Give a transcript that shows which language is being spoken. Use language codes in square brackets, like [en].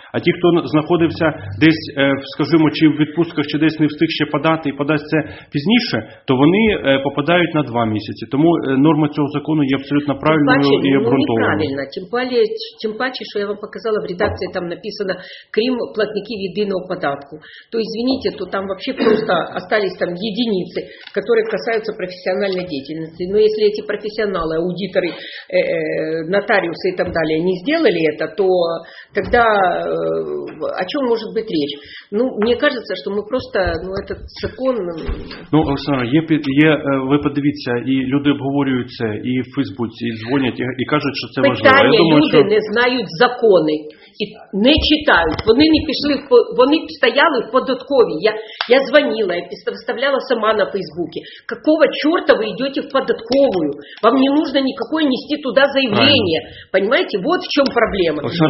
[uk] А ті, хто знаходився десь, скажімо, чи в відпустках, чи десь не встиг ще подати і подасть це пізніше, то вони попадають на 2 місяці. Тому норма цього закону є абсолютно правильною і обґрунтованою. Неправильно. Тим паче, що я вам показала, в редакції там написано, крім платників єдиного податку. [ru] То, извините, то там вообще просто остались там [uk] єдиниці, які касаються професіональної діяльності. [ru] Ну, [uk] якщо ці професіонали, аудитори, [ru] нотариусы и так далее не сделали это, то тогда о чем может быть речь? Ну, мне кажется, что мы просто, ну, этот закон... [uk] Ну, Олександр, ви подивіться, і люди обговорюють це, і в Фейсбуці, і дзвонять, і кажуть, що це питання важливо. Питання, люди що... не знають закони, і не читають, вони не пішли, вони стояли в податковій. Я дзвонила, я вставляла сама на Фейсбуці. [ru] Какого [uk] чорта ви йдете в податковую? [ru] Вам не нужно никакое нести туда заявление. Правильно. Понимаете, вот в чем проблема.